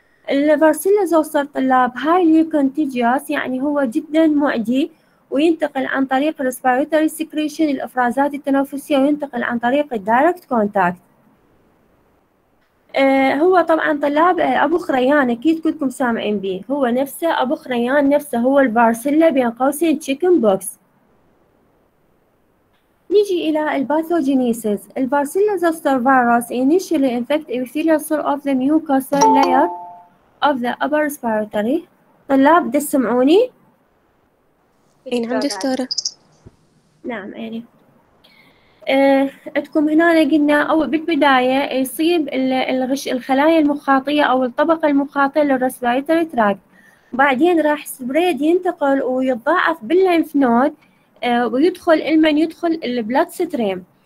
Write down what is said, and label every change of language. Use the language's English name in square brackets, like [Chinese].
[Arabic] البارسيلا زوستر طلاب هايلي كونتيجيوس يعني هو جدا معدي وينتقل عن طريق الريسبيراتوري سكريشن الافرازات التنفسية وينتقل عن طريق الدايركت كونتاكت. هو طبعا طلاب ابو خريان اكيد كلكم سامعين به هو نفسه ابو خريان نفسه هو البارسيلا بين قوسين تشيكن بوكس. نيجي الى الباثوجينيسيس البارسيلا زوستر فيروس [English] initially infect epithelial cell of the mucosal layer of the upper respiratory. [Arabic] طلاب تسمعوني؟ اي نعم دكتوره. نعم يعني عندكم هنا قلنا اول بالبدايه يصيب الخلايا المخاطيه او الطبقه المخاطيه للريسبيراتوري تراكت بعدين راح سبريد ينتقل ويتضاعف باللينف نود ويدخل المن يدخل البلاد ستريم.